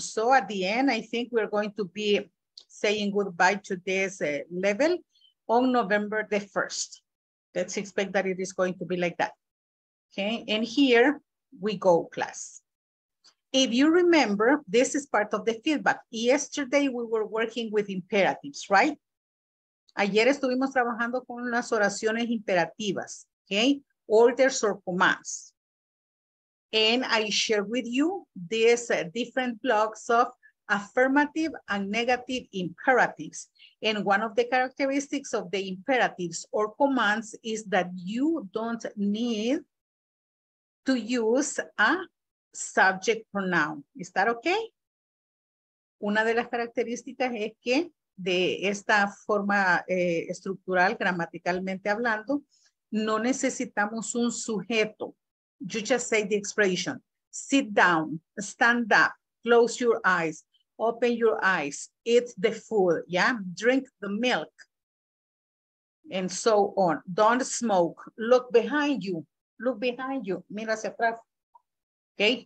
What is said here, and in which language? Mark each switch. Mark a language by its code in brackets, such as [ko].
[en] So at the end, I think we're going to be saying goodbye to this level on November the 1st. Let's expect that it is going to be like that. Okay, and here we go, class. If you remember, this is part of the feedback. Yesterday, we were working with imperatives, right? [es] Ayer estuvimos trabajando con las oraciones imperativas, okay? [en] Orders or commands. And I share with you these different blocks of affirmative and negative imperatives. And one of the characteristics of the imperatives or commands is that you don't need to use a subject pronoun. Is that okay? [es] Una de las características es que de esta forma estructural, gramaticalmente hablando, no necesitamos un sujeto. [en] You just say the expression, sit down, stand up, close your eyes, open your eyes, eat the food, yeah? Drink the milk, and so on. Don't smoke, look behind you, [es] mira hacia atrás, [en] okay?